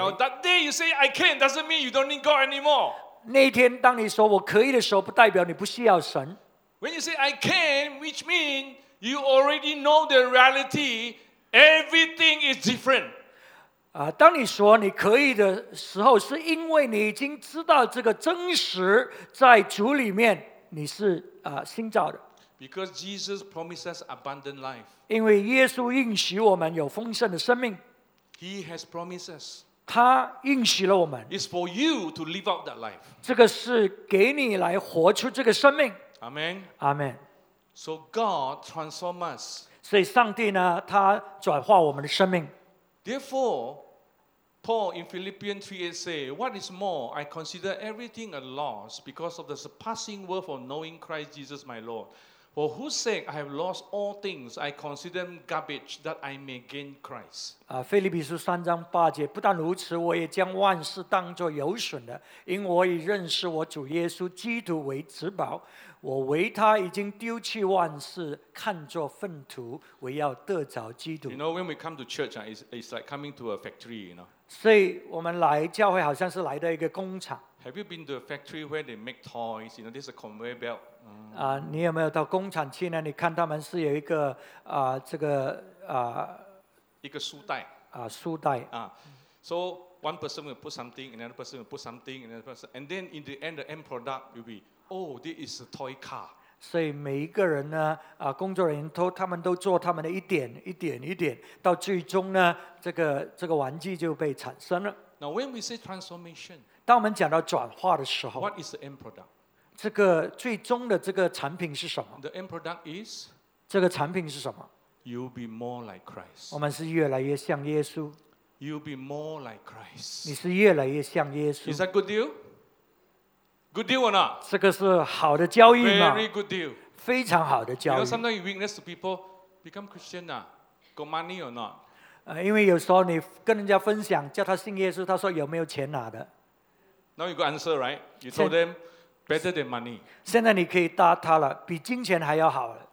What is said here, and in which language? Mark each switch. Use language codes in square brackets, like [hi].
[en] Now that day you say I can doesn't mean you don't need God anymore. [zh] 那一天当你说我可以的时候，不代表你不需要神。 [en] When you say I can, which means you already know the reality, everything is different. [zh] 当你说你可以的时候，是因为你已经知道这个真实，在主里面你是新造的。 [en] Because Jesus promised us abundant life. [zh] 因为耶稣应许我们有丰盛的生命。 [en] He has promised us. [zh] 他应许了我们。 [en] It's for you to live out that life. [zh] 这个是给你来活出这个生命。 [en] Amen. Amen. So God transforms us. [zh] 所以上帝呢，他转化我们的生命。 [en] Therefore, Paul in Philippians 3:8 say, "What is more, I consider everything a loss because of the surpassing worth of knowing Christ Jesus my Lord." For whose sake I have lost all things, I consider them garbage that I may gain Christ. [zh] 腓立比书3:8，不但如此，我也将万事当作有损的，因为我已认识我主耶稣基督为至宝，我为他已经丢弃万事，看作粪土，为要得着基督。 [en] You know, when we come to church, it's like coming to a factory, you know. [zh] 所以我们来教会好像是来到一个工厂。 [en] Have you been to a factory where they make toys? You know, this is a conveyor belt. [zh] 你有没有到工厂去呢？你看他们是有一个这个一个书袋书袋 [en] So one person will put something, another person will put something, another person, and then in the end, the end product will be, oh, this is a toy car. [zh] 所以每一个人呢，啊，工作人员都他们都做他们的一点一点一点，到最终呢，这个玩具就被产生了。 [en] Now when we say transformation, [zh] 当我们讲到转化的时候 [en] ，what is the end product? [zh] 这个最终的这个产品是什么 [en] ？The end product is [zh] 这个产品是什么 [en] ？You'll be more like Christ. [zh] 我们是越来越像耶稣。 [en] You'll be more like Christ. [zh] 你是越来越像耶稣。 [en] Is that good deal? Good deal or not? [zh] 这个是好的交易吗 [en] Very good deal. [zh] 非常好的交易 [en] Because sometimes you witness to people become Christian, got money or not? [zh] 因为有时候你跟人家分享，叫他信耶稣，他说有没有钱拿的 [en] Now you got answer, right? You told them better than money. [zh] 现在你可以答他了，比金钱还要好了